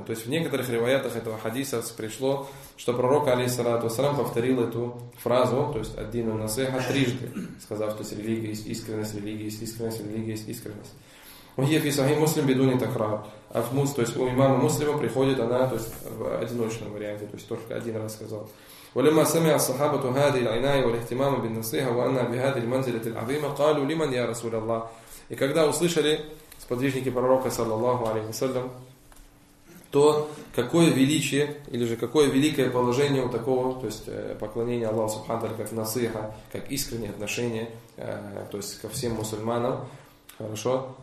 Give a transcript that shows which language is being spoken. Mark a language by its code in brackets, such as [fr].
[ru] То есть в некоторых риваятах этого хадиса пришло, что пророк алейхиссалату ва саллям повторил эту фразу, то есть ад-дину ан-насиха трижды, сказав, что есть религия есть искренность, религия есть искренность, религия есть искренность. [ar] Ухия фи сахи муслим бидуни такрар. [ru] А в мус, то есть у имама муслима приходит она, то есть в одиночном варианте, то есть только один раз сказал. [ar] ولما سمع الصحابة هذه العناية والاهتمام بالنصيحة وأنها بهذه المنزلة العظيمة قالوا لمن يا رسول الله. [ru] И когда услышали сподвижники пророка саллаллаху алейхи ва саллям, то какое величие или же какое великое положение у такого, то есть поклонение Аллаху субхану ва тааля как насиха, как искреннее отношение, то есть ко всем мусульманам. Хорошо.